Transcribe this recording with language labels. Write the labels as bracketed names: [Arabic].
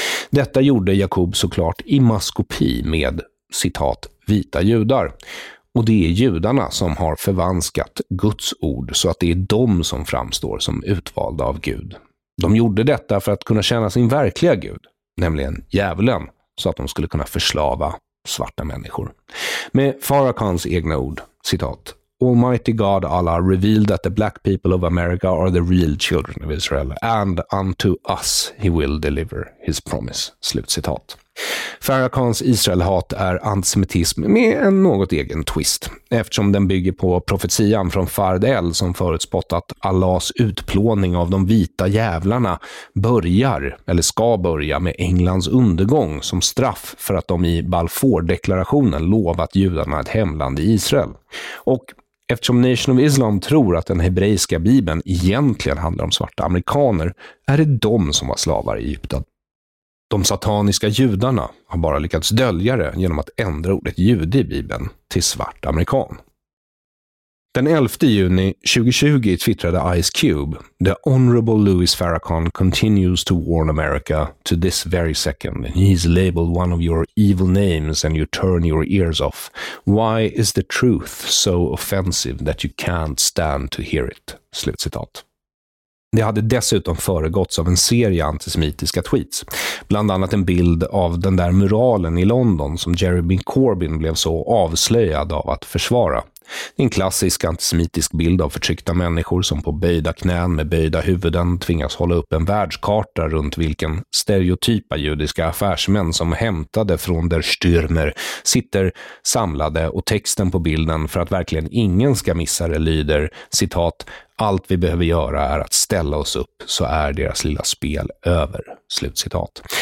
[Swedish] Detta gjorde Jakob såklart i maskopi med, citat, vita judar. Och det är judarna som har förvanskat Guds ord så att det är de som framstår som utvalda av Gud. De gjorde detta för att kunna tjäna sin verkliga gud, nämligen djävulen, så att de skulle kunna förslava svarta människor. Med Farrakhans egna ord, citat, [English] Almighty God Allah revealed that the black people of America are the real children of Israel, and unto us he will deliver his promise, [Swedish] slutcitat. Farrakhans Israelhat är antisemitism med en något egen twist, eftersom den bygger på profetian från Fared El som förutspått att Allahs utplåning av de vita jävlarna börjar, eller ska börja, med Englands undergång som straff för att de i Balfour-deklarationen lovat judarna ett hemland i Israel. Och eftersom Nation of Islam tror att den hebreiska bibeln egentligen handlar om svarta amerikaner, är det de som var slavar i Egypten. De sataniska judarna har bara lyckats dölja det genom att ändra ordet jude i Bibeln till svart amerikan. Den 11 juni 2020 twittrade [English] Ice Cube, "The Honorable Louis Farrakhan continues to warn America to this very second. He's labeled one of your evil names and you turn your ears off. Why is the truth so offensive that you can't stand to hear it?" [Swedish] Slutcitat. Det hade dessutom föregåtts av en serie antisemitiska tweets. Bland annat en bild av den där muralen i London som Jeremy Corbyn blev så avslöjad av att försvara. En klassisk antisemitisk bild av förtryckta människor som på böjda knän med böjda huvuden tvingas hålla upp en världskarta runt vilken stereotypa judiska affärsmän som hämtade från Der Stürmer sitter samlade, och texten på bilden, för att verkligen ingen ska missa det, lyder, citat, "Allt vi behöver göra är att ställa oss upp så är deras lilla spel över", slutcitat.